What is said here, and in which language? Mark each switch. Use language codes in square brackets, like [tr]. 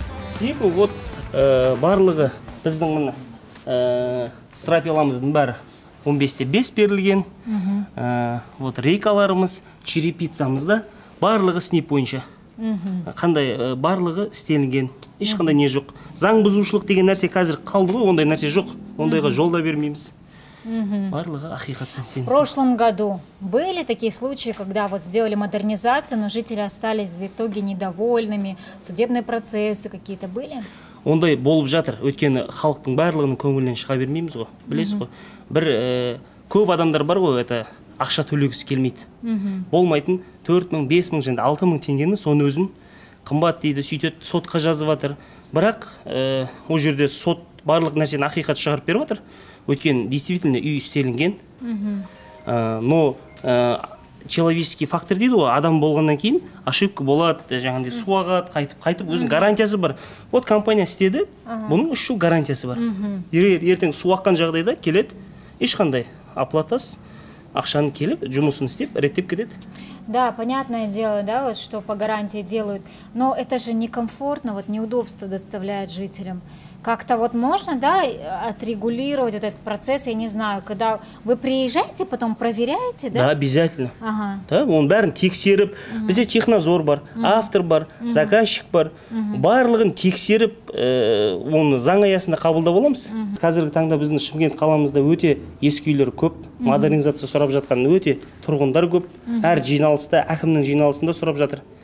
[kk] СНИПу вот барлығы біздің мына стропиламыздың бәрі 15-5 берілген. Вот рейкаларымыз, черепицамызда барлығы СНИП бойынша. Қандай барлығы істелінген. Ешқандай не жоқ. Заң бұзушылық деген нәрсе қазір қалды ғой, ондай нәрсе жоқ. Ондайға жол да бермейміз. Барлығы ақиқатпен істелінген. [ru] В прошлом году были такие случаи, когда вот сделали модернизацию, но жители остались в итоге недовольными, судебные процессы какие-то были? Ондай болып жатыр, өйткені халықтың барлығының көңілінен шыға бермейміз ғой, білесіз ғой. Бір көп адамдар бар ғой, это ақша төлегісі келмейді. Болмайтын 4000, 5000 және 6000 теңгені соны өзін қымбат дейді, сөйтеді, сотқа жазып жатыр. Бірақ ол жерде сот барлық нәрсені ақиқат шығарып беріп жатыр. Өйткені действительно үй істелінген. Но человеческий фактор дейді ғой, адам болғаннан кейін ошибка болады, жаңағыдай су ағады, қайтып өзінің гарантиясы бар. Вот компания істеді, бұның 3 жыл гарантиясы бар. Ертең су аққан жағдайда келеді, ешқандай оплатас, ақшаны келіп, жұмысын істеп, реттеп кетеді. Да, понятное дело, да, вот что по гарантии делают, но это же некомфортно, вот неудобство доставляет жителям. Как-то вот можно, да, отрегулировать этот процесс, я не знаю, когда вы приезжаете, потом проверяете, да? Да, обязательно. Ага. [kk] Да, он бәрін тексеріп, бізде технозор бар, автор бар, заказчик бар, барлығын тексеріп, оны заң аясында қабылдап аламыз. Қазіргі таңда біздің Шымкент қаламызда өте ескі үйлер көп, модернизация сұрап жатқан өте тұрғындар көп, әр жиналыста, әкімнің жиналысында сұрап жатыр.